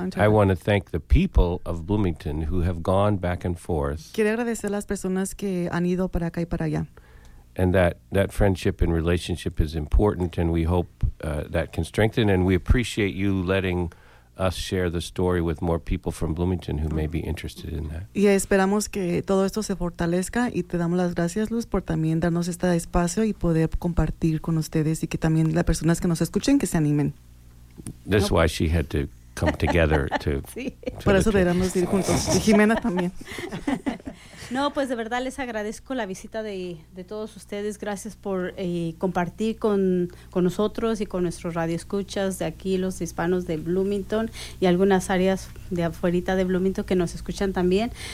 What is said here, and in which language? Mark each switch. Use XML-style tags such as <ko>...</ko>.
<en>I want to thank the people of Bloomington who have gone back and forth.</en> <es>Quiero agradecer las personas que han ido para acá y para allá.</es> <en>And that friendship and relationship is important, and we hope that can strengthen. And we appreciate you letting us share the story with more people from Bloomington who may be interested in that.</en> <es>Y esperamos que todo esto se fortalezca y te damos las gracias, Luz, por también darnos este espacio y poder compartir con ustedes y que también las personas que nos escuchen que se animen.</es> <en>That's why she had to come together to.</en> <es>Por eso debemos ir juntos. Y Jimena también. No, pues de verdad les agradezco la visita de todos ustedes. Gracias por compartir con nosotros y con nuestros radioescuchas de aquí, los hispanos de Bloomington y algunas áreas de afuerita de Bloomington que nos escuchan también.</es>